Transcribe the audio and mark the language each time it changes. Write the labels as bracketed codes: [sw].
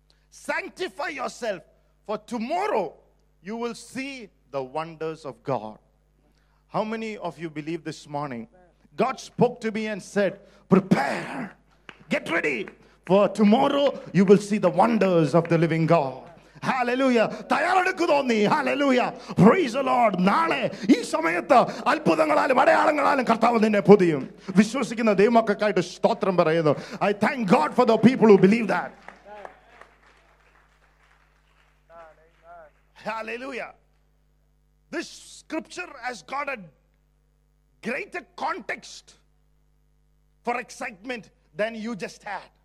[en] Sanctify yourself. For tomorrow, you will see the wonders of God. How many of you believe this morning? God spoke to me and said, prepare. Get ready. For tomorrow, you will see the wonders of the living God. Hallelujah. [ml] തയ്യാറെടുക്കുതോന്നി. [en] Hallelujah. Praise the Lord. [ml] നാളെ ഈ സമയത്ത് അത്ഭുതങ്ങളാലും അടയാളങ്ങളാലും കർത്താവ് നിന്നെ പൊതിയും. വിശ്വസിക്കുന്ന ദൈവമക്കൾക്കായിട്ട് സ്തോത്രം പറയുന്നു. [en] I thank God for the people who believe that. Hallelujah. This scripture has got a greater context for excitement than you just had.